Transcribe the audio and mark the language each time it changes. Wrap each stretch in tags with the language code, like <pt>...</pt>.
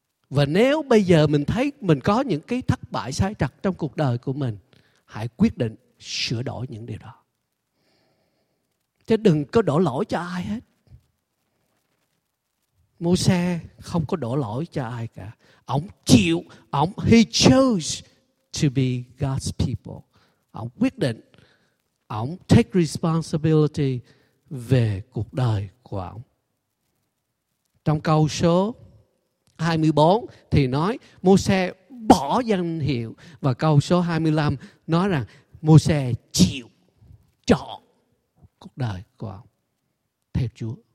<vi>Và nếu bây giờ mình thấy mình có những cái thất bại sai trật trong cuộc đời của mình, hãy quyết định sửa đổi những điều đó. Chứ đừng có đổ lỗi cho ai hết. Môi-se không có đổ lỗi cho ai cả. Ông chịu, ông</vi> <en>he chose to be God's people.</en> <vi>Ông quyết định, ông</vi> <en>take responsibility</en> <vi>về cuộc đời của ông. Trong câu số 24 thì nói Môi-se bỏ danh hiệu, và câu số 25 nói rằng Môi-se chịu chọn cuộc đời của ông theo Chúa.</vi>